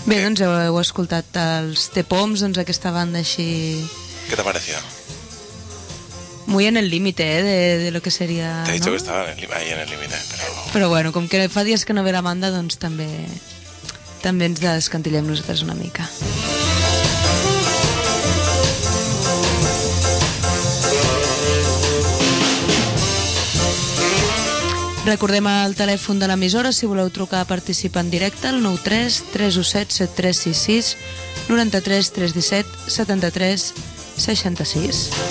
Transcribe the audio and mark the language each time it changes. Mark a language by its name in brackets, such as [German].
[Catalan] ocasions heu escoltat els T-Poms, doncs aquesta banda així... [Spanish] ¿Qué te pareció? Muy en el límite, de lo que seria... Te he dicho, ¿no?, que estaba ahí en el límite, pero... [Catalan] Però bueno, com que fa dies que no ve la banda, doncs també ens descantillem nosaltres una mica. Recordem el telèfon de l'emissora si voleu trucar a participar en directe, el 93-317-7366, 93-317-7366.